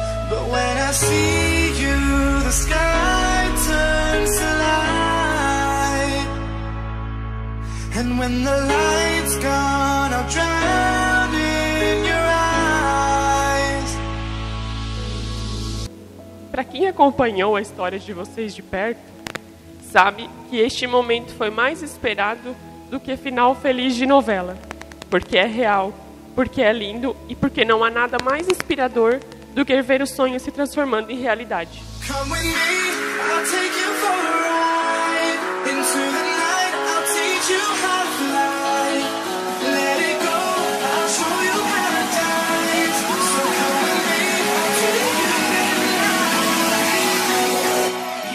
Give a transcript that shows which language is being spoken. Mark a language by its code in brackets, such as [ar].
[en] But when I see you, the sky turns to light, and when the light's gone, I'll drown in your eyes. [pt] Para quem acompanhou a história de vocês de perto, sabe que este momento foi mais esperado do que final feliz de novela, porque é real, porque é lindo e porque não há nada mais inspirador do que ver o sonho se transformando em realidade. [en] Come with me, I'll take you for a ride. Into the night, I'll teach you how to fly. Let it go, I'll show you paradise. So come with me, I'll take you tonight.